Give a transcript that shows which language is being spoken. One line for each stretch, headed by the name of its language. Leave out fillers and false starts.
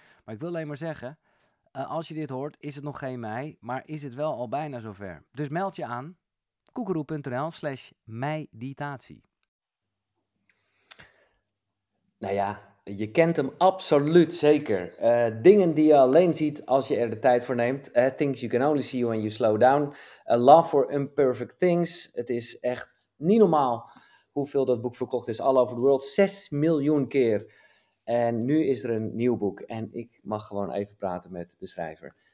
Dutch: Maar ik wil alleen maar zeggen, als je dit hoort, is het nog geen mei. Maar is het wel al bijna zover. Dus meld je aan. koekeroe.nl/meditatie. Nou ja, je kent hem absoluut zeker. Dingen die je alleen ziet als je er de tijd voor neemt.
English: Things you can only see when you slow down. Love for imperfect things.
Dutch: Het is echt niet normaal hoeveel dat boek verkocht is.
English: All over the world.
Dutch: 6 miljoen keer. En nu is er een nieuw boek. En ik mag gewoon even praten met de schrijver.